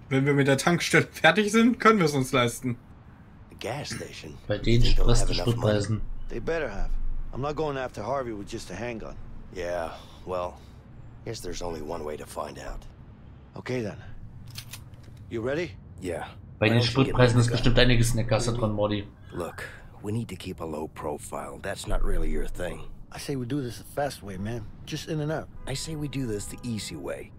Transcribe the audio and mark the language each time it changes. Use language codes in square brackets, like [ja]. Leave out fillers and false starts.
[de] Wenn wir mit der Tankstelle fertig sind, können wir es uns leisten. [en] Gas station. [de] Bei denen Spritpreisen. [en] They better have. I'm not going after Harvey with just a handgun. Yeah, well, guess there's only one way to find out. Okay then. You ready? Yeah. [de] Bei den Spritpreisen ist bestimmt einiges in der Kasse dran, Morty. [en] Look, we need to keep a low profile. That's not really your thing. I say we do this the fast way, man. Just in and out. I say we do this the easy way.